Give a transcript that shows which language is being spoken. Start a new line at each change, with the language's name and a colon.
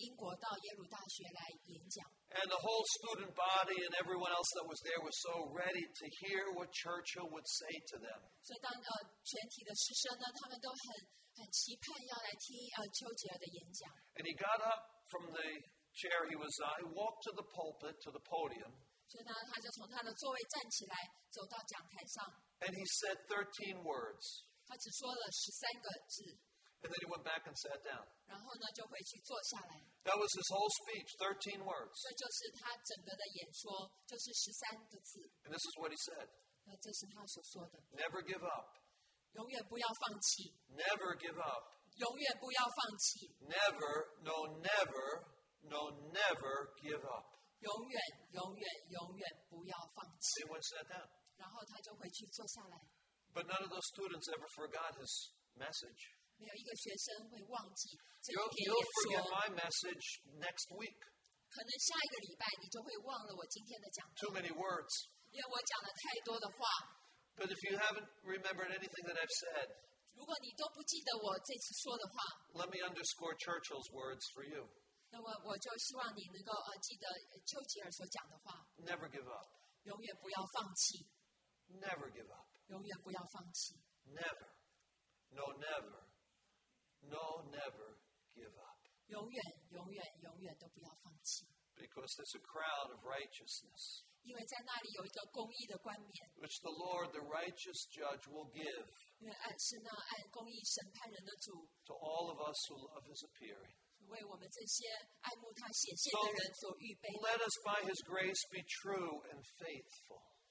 Chinese: 那他们就让他坐飞机从英国到耶鲁大学来演讲。
English: And the whole student body and everyone else that was there was so ready to hear what Churchill would say to them.
Chinese: 所以当全体的师生呢，他们都很期盼要来听丘吉尔的演讲。
English: And he got up from the chair he was on, he walked to the pulpit, to the podium.
Chinese: 所以呢，他就从他的座位站起来，走到讲台上。
English: And he said 13 words.
Chinese: 他只说了13个字。
English: And then he went back and sat down.
Chinese: 然后呢，就回去坐下来。
English: That was his whole speech, 13 words.
Chinese: 这就是他整个的演说，就是13个字。
English: And this is what he said.
Chinese: 那这是他所说的。
English: Never give up.
Chinese: 永远不要放弃。
English: Never give up.
Chinese: 永远不要放弃。
English: Never, no, never, no, never give up.
Chinese: 永远永远永远不要放弃。
English: He went sat down.
Chinese: 然后他就回去坐下来。
English: But none of those students ever forgot his message.
Chinese: 没有一个学生会忘记这篇演说。
English: You'll forget my message next week.
Chinese: 可能下一个礼拜你就会忘了我今天的讲话。
English: Too many words.
Chinese: 因为我讲了太多的话。
English: But if you haven't remembered anything that I've said,
Chinese: 如果你都不记得我这次说的话,
English: let me underscore Churchill's words for you.
Chinese: 那我就希望你能够记得丘吉尔所讲的话。
English: Never give up.
Chinese: 永远不要放弃。
English: Never give up.
Chinese: 永远不要放弃。
English: Never. No, never. No, never give up.
Chinese: 永远永远永远都不要放弃。
English: Because there's a crown of righteousness,
Chinese: 因为在那里有一个公义的冠冕,
English: which the Lord, the righteous judge, will give to all of us who love His appearing. So let us by His grace be true and faithful.